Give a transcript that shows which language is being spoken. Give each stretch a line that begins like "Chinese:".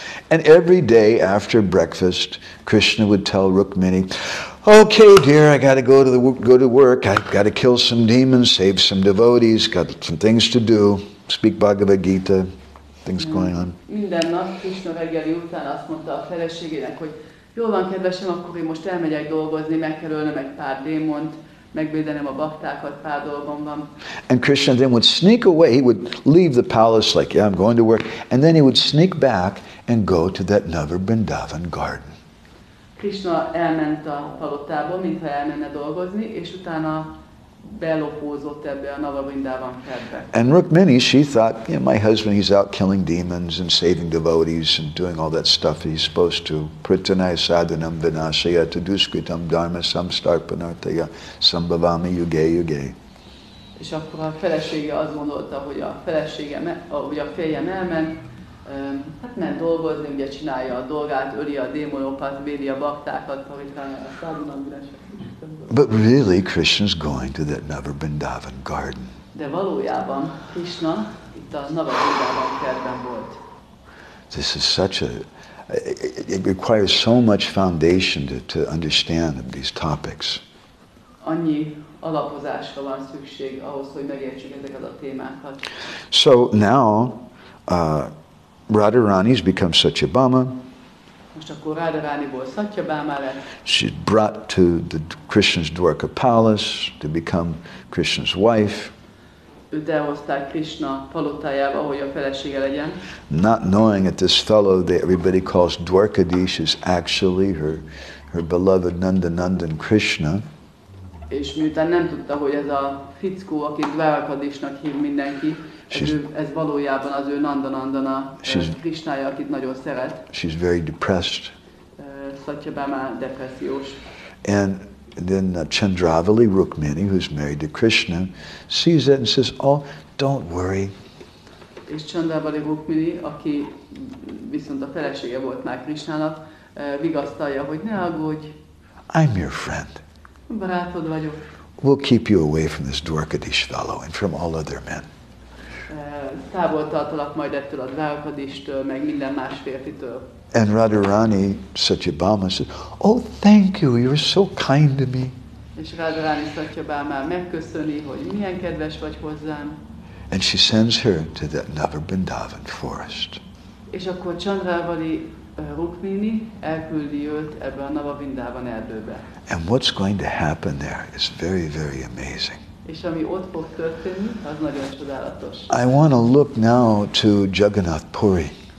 English: And every day after breakfast, Krishna would tell Rukmini, okay, dear, I gotta go to work, I gotta kill some demons, save some devotees, got some things to do, speak Bhagavad Gita, things going on.
Hungarian: Minden nap Krishna reggeli után azt mondta a feleségének, hogy jól van, kedvesem, akkor én most elmegyek dolgozni, meg kell ölnöm egy pár démont, megvédenem a baktákat, pár dolgom van.
English: And Krishna then would sneak away, he would leave the palace like, yeah, I'm going to work, and then he would sneak back and go to that Nava Vrindavan garden.
Hungarian: Krishna elment a palotába, mintha elmenne dolgozni, és utána belopózott ebbe a Nava Vrindavan kertbe.
English: And Rukmini, she thought, yeah, my husband, he's out killing demons and saving devotees and doing all that stuff he's supposed to.
Sanskrit: Pritanai sadhanam vinashaya tadushkritam dharma samstarpanartaya sambhavami yuge yuge.
Hungarian: És akkor a felesége azt gondolta, hogy a felesége, hogy a férjem elment, hát ment dolgozni, ugye csinálja a dolgát, öli a démonokat, méri a baktákat, ahogy talán a szagunak
English: But really, Krishna's going to that Nava Vrindavan garden.
Hungarian: De valójában Krishna itt a Nava Vrindavan kertben volt.
English: This is such a it requires so much foundation to understand these topics.
Hungarian: Annyi alapozásra van szükség ahhoz, hogy megértsük ezeket a témákat.
English: So now Radharani's become Satyabhama.
Hungarian: Most akkor Radharaniból Satyabhama lett.
English: She's brought to the Krishna's Dwarka palace to become Krishna's wife.
Hungarian: Elhozták Krishna palotájába, hogy a felesége legyen.
English: Not knowing that this fellow that everybody calls Dwarkadish is actually her beloved Nandanandan Krishna.
Hungarian: És miután nem tudta, hogy ez a fickó, aki Dwarkadishnak hív mindenki, ez valójában az ő Nandanandana Krishnája, akit nagyon szeret.
English: She's very depressed.
Hungarian: Satyabhama depressziós.
English: And then Chandravali Rukmini, who's married to Krishna, sees it and says, "Oh, don't worry."
Hungarian: És Chandravali Rukmini, aki viszont a felesége volt már Krishnának, vigasztalja, hogy ne aggódj.
English: I'm your friend.
Hungarian: Barátod vagyok.
English: We'll keep you away from this Dwarkadish fellow and from all other men.
Hungarian: Távol tartalak majd ettől a Dwarkadishtől, meg minden más férfitől.
English: And Radharani Satyabhama said, "Oh, thank you. You are so kind to me."
Hungarian: És Radharani Satyabhama megköszöni, hogy milyen kedves vagy hozzám.
English: And she sends her to the Nava Vrindavan forest.
Hungarian: És akkor Chandravali Rukmini elküldi őt ebbe a Nava Vrindavan erdőbe.
English: And what's going to happen there is very, very amazing.
Hungarian: És ami ott fog történni, az nagyon csodálatos.
English: I want to look now to Jagannath Puri.